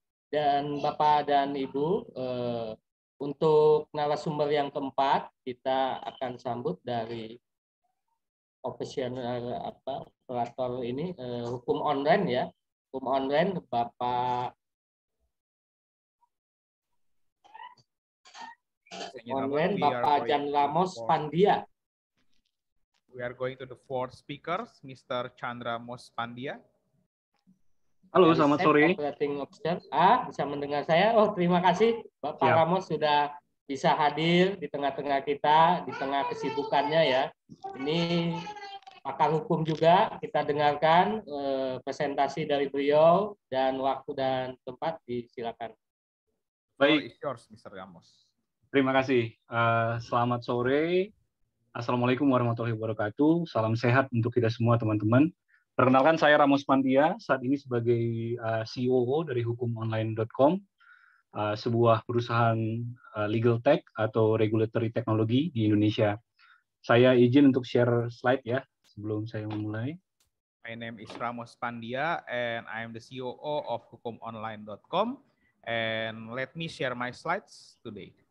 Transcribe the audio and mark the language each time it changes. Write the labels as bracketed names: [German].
[Indonesian] Dan Bapak dan Ibu, untuk narasumber yang keempat, kita akan sambut dari operasional operator ini hukum online ya, hukum online Bapak online Bapak Jan Ramos Pandia. [English] We are going to the fourth speaker, Mr. Jan Ramos Pandia. [Indonesian] Halo, selamat sore. [English] Operating officer. [Indonesian] Bisa mendengar saya? Oh, terima kasih Bapak ya. Ramos sudah bisa hadir di tengah-tengah kita di tengah kesibukannya ya. Ini pakar hukum juga. Kita dengarkan presentasi dari beliau dan waktu dan tempat disilakan. Baik, yours, Mr. Gamos. Terima kasih. Selamat sore. Assalamualaikum warahmatullahi wabarakatuh. Salam sehat untuk kita semua, teman-teman. Perkenalkan, saya Ramos Pandia, saat ini sebagai COO dari hukumonline.com, sebuah perusahaan legal tech atau regulatory technology di Indonesia. Saya izin untuk share slide ya, sebelum saya memulai. [English] My name is Ramos Pandia, and I am the COO of hukumonline.com, and let me share my slides today.